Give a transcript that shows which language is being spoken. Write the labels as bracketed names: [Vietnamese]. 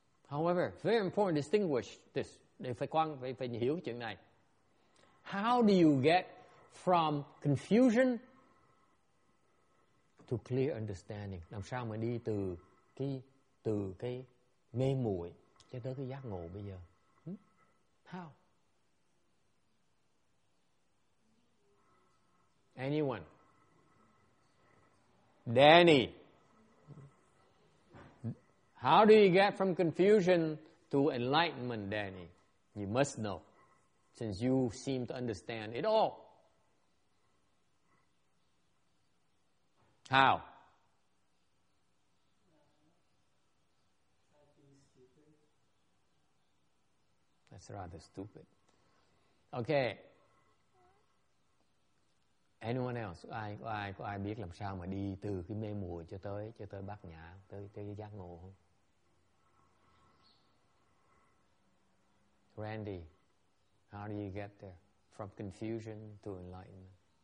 [English] However, very important to distinguish this. [Vietnamese] Để phải quan, phải hiểu cái chuyện này. [English] How do you get from confusion to clear understanding? [Vietnamese] Làm sao mà đi từ cái mê muội cho tới cái giác ngộ bây giờ? [English] How? Anyone? Danny, how do you get from confusion to enlightenment, Danny? You must know, since you seem to understand it all. How? That's rather stupid. Okay. Anyone else? [Vietnamese] Có ai biết làm sao mà đi từ cái mê muội cho tới bát nhã, tới cái giác ngộ không? [English] Randy, how do you get there from confusion to enlightenment?